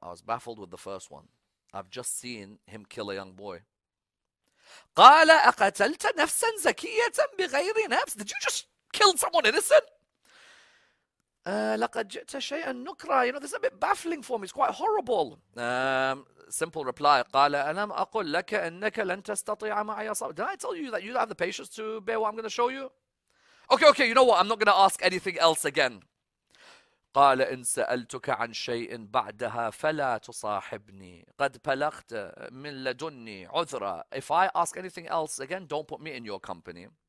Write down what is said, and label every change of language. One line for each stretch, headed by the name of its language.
English: I was baffled with the first one. I've just seen him kill a young boy.
Arabic: قَالَ أَقَتَلْتَ نَفْسًا زَكِيَّةً بِغَيْرِ نَفْسٍ.
English: Did you just kill someone innocent?
Arabic: لَقَدْ جِئْتَ شَيْئًا نُكْرًا.
English: You know, this is a bit baffling for me. It's quite horrible. Simple reply.
Arabic: قَالَ أَلَمْ أَقُلْ لَكَ أَنَّكَ لَن تَسْتَطِيعَ مَعَيَ صَبْرًا.
English: Did I tell you that you don't have the patience to bear what I'm going to show you? Okay, you know what? I'm not going to ask anything else again.
Arabic: قَالَ إِنْ سَأَلْتُكَ عَنْ شَيْءٍ بَعْدَهَا فَلَا تُصَاحِبْنِي قَدْ بَلَغْتَ مِنْ لَدُنِّي عُذْرًا.
English: If I ask anything else again, don't put me in your company.